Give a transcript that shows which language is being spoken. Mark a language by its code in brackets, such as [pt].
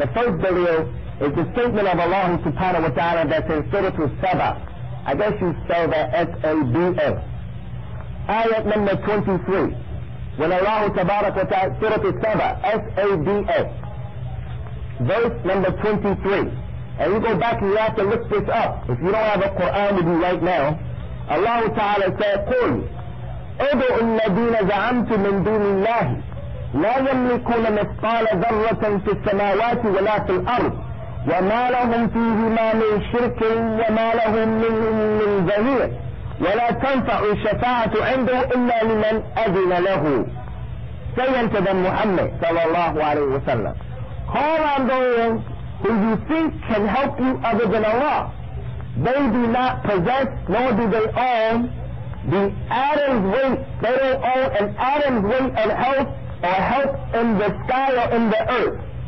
[en] The first dalil is the statement of Allah subhanahu wa ta'ala that's in Surah Saba. I guess you spell that S-A-B-L. Ayat number 23. When Allah tabarak wa ta'ala, Surah Saba, S-A-B-L. Verse number 23. And you go back and you have to look this up. If you don't have a Quran with you right now, Allah Ta'ala said, [ar] قُلْ أَدْعُوا الَّذِينَ زَعَمْتُ مِنْ دُونِ اللَّهِ لَا يَمْلِكُونَ مِثْقَالَ ذَرَّةً فِي السَّمَاوَاتِ وَلَا فِي الْأَرْضِ وما لهم فيهما من شرك وما لهم منهم من ظهير ولا تنفع الشفاعة عنده إلا لمن أذن له. سينتدى محمد صلى الله عليه وسلم. [en] Call on those who you think can help you other than Allah. They do not possess, nor do they own, the atom's weight. They don't own an atom's weight of health or help in the sky or in the earth.